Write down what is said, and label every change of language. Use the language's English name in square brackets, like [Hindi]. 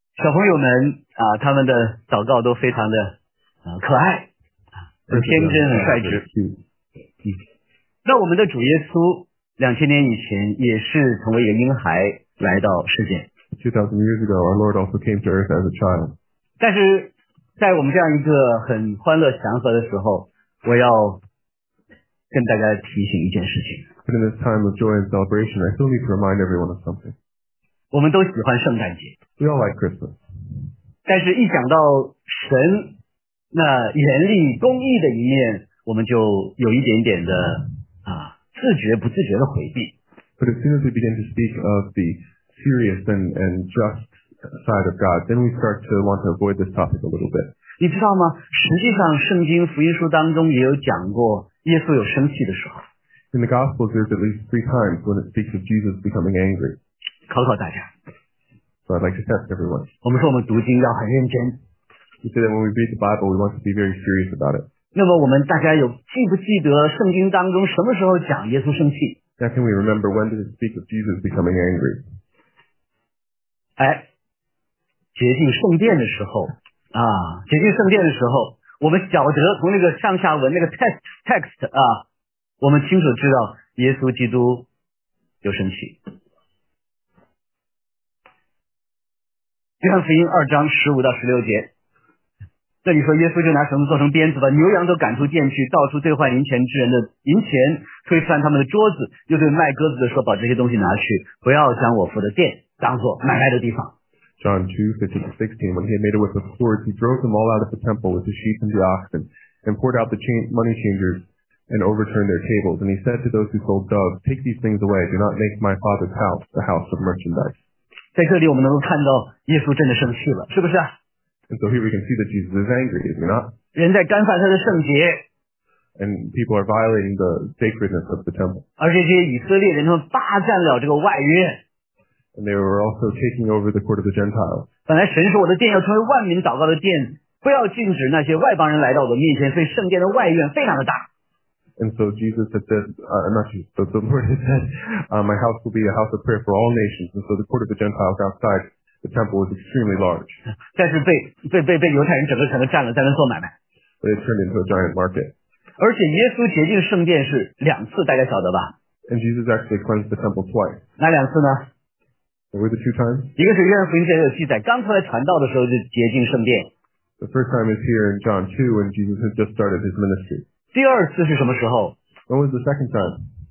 [Chinese] 小朋友们啊，他们的祷告都非常的可爱，很天真，很率直。那我们的主耶稣2000年以前也是成为一个婴孩来到世界。 [English] 2000 years ago, our Lord also came to earth as a child. [Chinese] 但是在我们这样一个很欢乐祥和的时候，我要跟大家提醒一件事情。 [English] But in this time of joy and celebration, I still need to remind everyone of something. [Chinese] 我们都喜欢圣诞节。 [English] We all like Christmas. [Chinese] 但是一想到神那严厉公义的一面，我们就有一点点的自觉不自觉的回避。 [English] But as soon as we begin to speak of the serious and just side of God, then we start to want to avoid this topic a little bit. [Chinese] 你知道吗？实际上，圣经福音书当中也有讲过耶稣有生气的时候。 [English] In the Gospels, there's at least three times when it speaks of Jesus becoming angry. [Chinese] 考考大家。 [English] So I'd like to test everyone. [Chinese] 我们说我们读经要很认真。 [English] We say that when we read the Bible, we want to be very serious about it. [Chinese] 那么我们大家有记不记得圣经当中什么时候讲耶稣生气？ [English] Now can we remember when did it speak of Jesus becoming angry? [Chinese] 哎，洁净圣殿的时候啊，洁净圣殿的时候，我们晓得从那个上下文那个 text 啊，我们清楚知道耶稣基督有生气。约翰福音2:15-16，那你说耶稣就拿绳子做成鞭子，把牛羊都赶出店去，到处兑换银钱之人的银钱，推翻他们的桌子，又对卖鸽子的说：“把这些东西拿去，不要将我父的殿。” 当作买卖的地方。 [English] John 2:15-16, when he had made it with the cords, he drove them all out of the temple with the sheep and the oxen, and poured out the money changers and overturned their tables. And he said to those who sold doves, take these things away, do not make my father's house the house of merchandise. [Chinese] 在这里我们能够看到耶稣真的生气了，是不是？ [English] And so here we can see that Jesus is angry, is he not? [Chinese] 人在干犯他的圣洁。 [English] And people are violating the sacredness of the temple. [Chinese] 而且这些以色列人他们霸占了这个外约。 [English] And they were also taking over the court of the Gentiles. [Chinese] 本来神说我的殿要成为万民祷告的殿，不要禁止那些外邦人来到我的面前，所以圣殿的外院非常的大。 [English] And so Jesus had said, the Lord had said, my house will be a house of prayer for all nations. And so the court of the Gentiles outside the temple was extremely large. [Chinese] 但是被犹太人整个全都占了，在那做买卖。 [English] But it turned into a giant market. [Chinese] 而且耶稣洁净圣殿是两次，大家晓得吧？ [English] And Jesus actually cleansed the temple twice. [Chinese] 哪两次呢？ [English] Were the two times? [Chinese] 一个是约翰福音前有记载，刚出来传道的时候就洁净圣殿。 [English] The first time is here in John 2 when Jesus had just started his ministry. [Chinese] 第二次是什么时候？ [English] When was the second time?